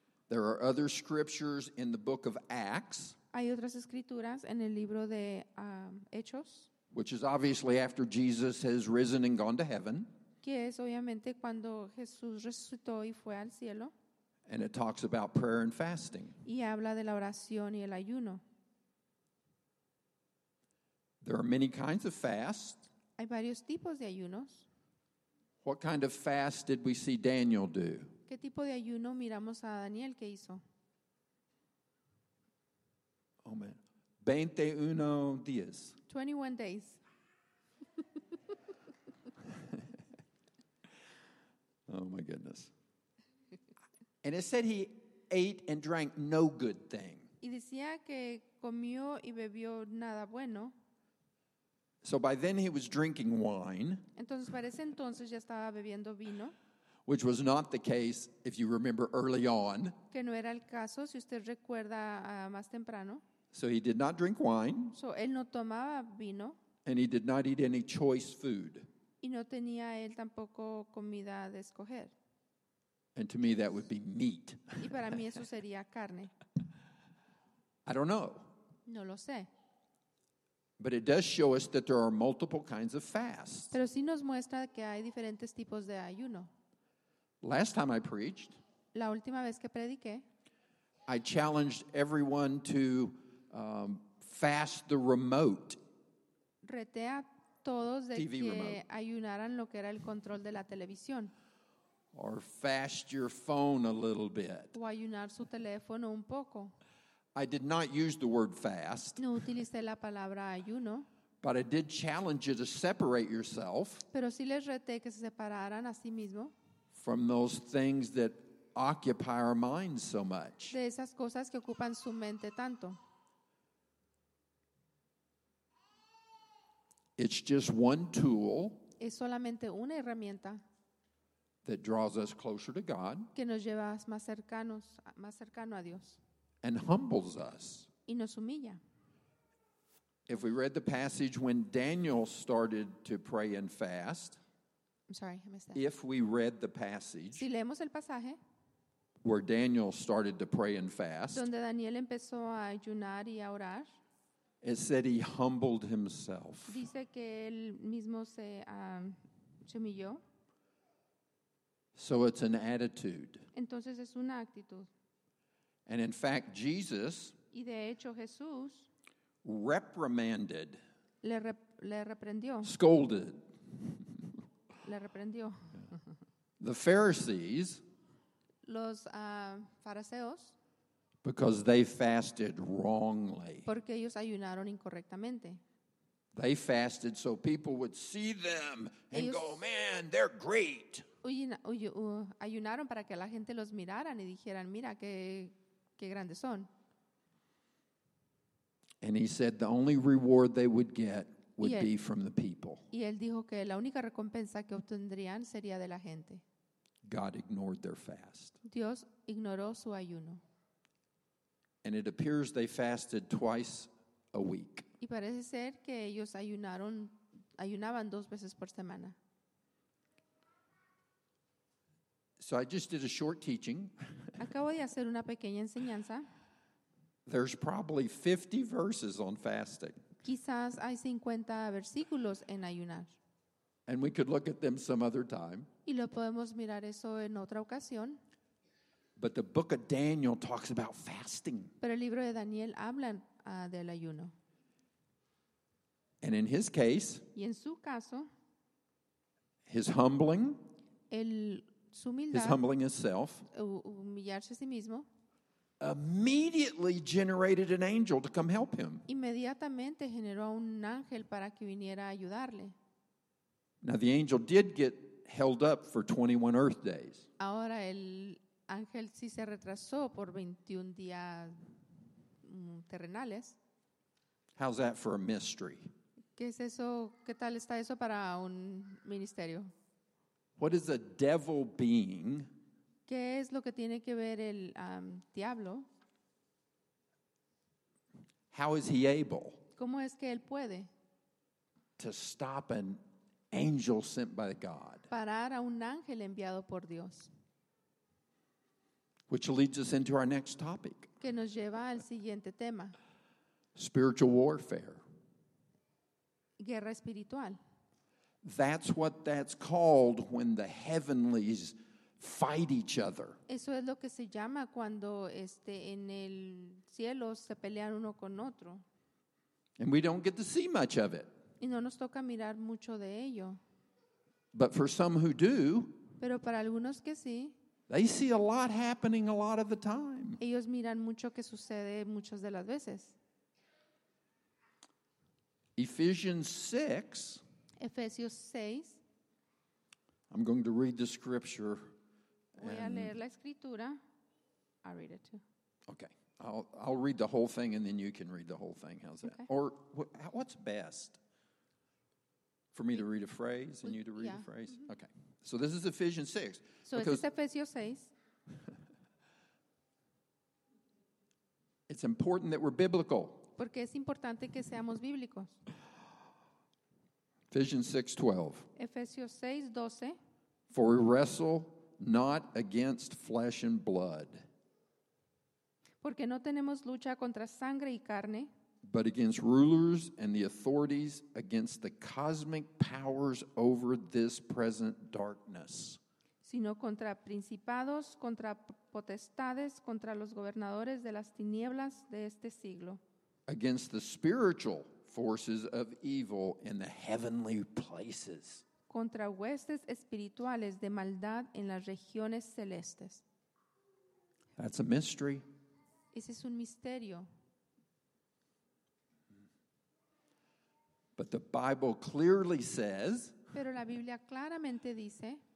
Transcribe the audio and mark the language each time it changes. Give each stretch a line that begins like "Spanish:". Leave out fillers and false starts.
English: There are other scriptures in the book of Acts.
Spanish: Hay otras escrituras en el libro de Hechos.
English: Which is obviously after Jesus has risen and gone to heaven.
Spanish: Que es obviamente cuando Jesús resucitó y fue al cielo.
English: And it talks about prayer and fasting.
Spanish: Y habla de la oración y el ayuno.
English: There are many kinds of fast.
Spanish: Hay varios tipos de ayunos.
English: What kind of fast did we see Daniel do?
Spanish: ¿Qué tipo de ayuno miramos a Daniel que hizo?
English: Oh, man. 21
Spanish: días.
English: 21 days. Oh my goodness. And it said he ate and drank no good thing.
Spanish: Y decía que comió y bebió nada bueno.
English: So by then he was drinking wine.
Spanish: Entonces, para ese entonces ya estaba bebiendo vino.
English: Which was not the case, if you remember, early on.
Spanish: Que no era el caso, si usted recuerda, más temprano.
English: So he did not drink wine.
Spanish: So él no tomaba vino.
English: And he did not eat any choice food.
Spanish: Y no tenía él tampoco comida de escoger.
English: And to me that would be meat.
Spanish: Y para mí eso sería carne.
English: I don't know.
Spanish: No lo sé.
English: But it does show us that there are multiple kinds of fasts.
Spanish: Pero sí nos muestra que hay diferentes tipos de ayuno.
English: Last time I preached,
Spanish: la última vez que prediqué,
English: I challenged everyone to fast the remote.
Spanish: Reté a todos de TV que remote. Ayunaran lo que era el control de la televisión.
English: Or fast your phone a little bit.
Spanish: O ayunar su teléfono un poco.
English: I did not use the word fast.
Spanish: No utilicé la palabra ayuno.
English: But I did challenge you to separate yourself.
Spanish: Pero sí les reté que se separaran a sí mismo.
English: From those things that occupy our minds so much.
Spanish: De esas cosas que ocupan su mente tanto.
English: It's just one tool.
Spanish: Es solamente una herramienta.
English: That draws us closer to God.
Spanish: Que nos lleva más cercanos, más cercano a Dios.
English: And humbles us.
Spanish: Y nos humilla.
English: If we read the passage when Daniel started to pray and fast. I'm sorry, I missed that. If we read the passage.
Spanish: Si leemos el pasaje.
English: Where Daniel started to pray and fast.
Spanish: Donde Daniel empezó a ayunar y a orar.
English: It said he humbled himself.
Spanish: Dice que él mismo se humilló.
English: So it's an attitude.
Spanish: Entonces es una actitud.
English: And in fact, Jesus
Spanish: y de hecho, Jesús
English: reprimanded,
Spanish: le reprendió,
English: scolded,
Spanish: le reprendió.
English: The Pharisees,
Spanish: los fariseos,
English: because they fasted wrongly.
Spanish: Porque ellos ayunaron incorrectamente.
English: They fasted so people would see them and
Spanish: ellos,
English: go, man, they're great.
Spanish: Ayunaron para que la gente los miraran y dijeran, mira qué qué grandes son.
English: And he said the only reward they would get would be from the people.
Spanish: Y él dijo que la única recompensa que obtendrían sería de la gente.
English: God ignored their fast.
Spanish: Dios ignoró su ayuno.
English: And it appears they fasted twice a week.
Spanish: Y parece ser que ellos ayunaban dos veces por semana.
English: So I just did a short teaching.
Spanish: Acabo de hacer una pequeña enseñanza.
English: There's probably 50 verses on fasting.
Spanish: Quizás hay 50 versículos en ayunar.
English: And we could look at them some other time.
Spanish: Y lo podemos mirar eso en otra ocasión.
English: But the book of Daniel talks about fasting.
Spanish: Pero el libro de Daniel habla del ayuno.
English: And in his case,
Spanish: y en su caso,
English: his humbling,
Spanish: el su humildad,
English: his humbling himself,
Spanish: humillarse a sí mismo,
English: immediately generated an angel to come help him.
Spanish: Inmediatamente generó un ángel para que viniera a ayudarle.
English: Now the angel did get held up for 21 earth days.
Spanish: Ahora el ángel sí se retrasó por 21 días terrenales.
English: How's that for a mystery?
Spanish: ¿Qué es eso? ¿Qué tal está eso para un ministerio?
English: What is a devil being?
Spanish: ¿Qué es lo que tiene que ver el diablo?
English: How is he able?
Spanish: ¿Cómo es que él puede?
English: To stop an angel sent by God.
Spanish: Parar a un ángel enviado por Dios.
English: Which leads us into our next topic.
Spanish: Que nos lleva al siguiente tema.
English: Spiritual warfare.
Spanish: Guerra espiritual.
English: That's what that's called when the heavenlies fight each other.
Spanish: Eso es lo que se llama cuando en el cielo se pelean uno con otro.
English: And we don't get to see much of it.
Spanish: Y no nos toca mirar mucho de ello.
English: But for some who do,
Spanish: pero para algunos que sí,
English: they see a lot happening a lot of the time.
Spanish: Ellos miran mucho que sucede muchas de las veces.
English: Ephesians 6.
Spanish: Efesios 6.
English: I'm going to read the scripture.
Spanish: Voy a leer la escritura.
English: I'll read it too. Okay. I'll read the whole thing and then you can read the whole thing. How's that? Okay. Or what's best? For me to read a phrase and you to read a phrase? Mm-hmm. Okay. So this is Ephesians 6. So this is Ephesians 6. It's important that we're biblical.
Spanish: Porque es importante que seamos bíblicos.
English: Ephesians 6:12.
Spanish: Efesios 6:12.
English: For we wrestle not against flesh and blood.
Spanish: Porque no tenemos lucha contra sangre y carne.
English: But against rulers and the authorities, against the cosmic powers over this present darkness.
Spanish: Sino contra principados, contra potestades, contra los gobernadores de las tinieblas de este siglo.
English: Against the spiritual forces of evil in the heavenly places.
Spanish: Contra huestes espirituales de maldad en las regiones celestes.
English: That's a mystery.
Spanish: Ese es un misterio.
English: But the Bible clearly says.
Spanish: Pero la Biblia claramente dice.